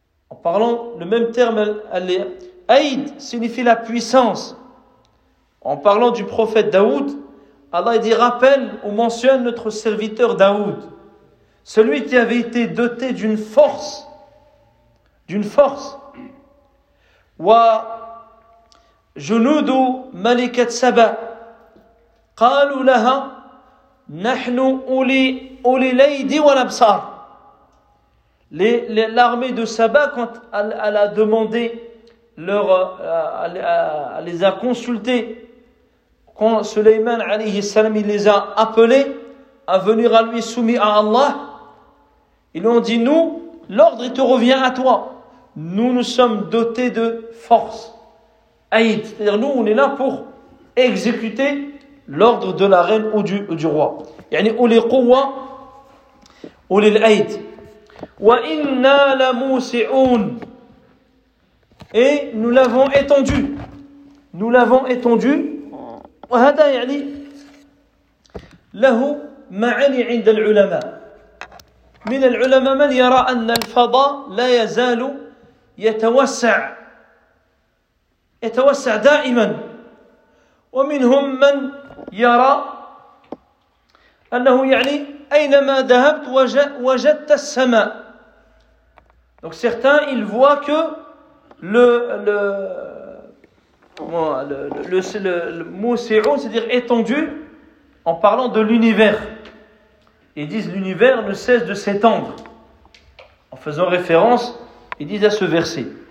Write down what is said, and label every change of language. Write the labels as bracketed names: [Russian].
[French] En parlant le même terme, aïd signifie la puissance. En parlant du prophète Daoud, Allah dit rappelle ou mentionne notre serviteur Daoud, celui qui avait été doté d'une force. [Arabic] Wa junudu malikat Saba قالوا لها نحن أولي الأيدي والأبصار. [French] L'armée de Saba, quand elle a demandé leur les a consultés, quand Suleyman alayhi salam il les a appelés à venir à lui soumis à Allah, ils lui ont dit nous l'ordre il te revient à toi, nous sommes dotés de force aïd, c'est-à-dire nous on est là pour exécuter l'ordre de la reine ou du roi. Yani ou les quwa [Arabic] أولي الأيد وإنا لموسعون [French] Et nous l'avons étendu. Nous l'avons étendu. [Arabic] وهذا يعني له معاني عند العلماء. من العلماء من يرى أن الفضاء لا يزال يتوسع. يتوسع دائما. ومنهم من يرى أنه يعني أينما ذهبت وجدت السماء. [French] Donc certains, ils voient que le Moussi'un, c'est-à-dire étendu, en parlant de l'univers. Ils disent l'univers ne cesse de s'étendre. En faisant référence, ils disent à ce verset.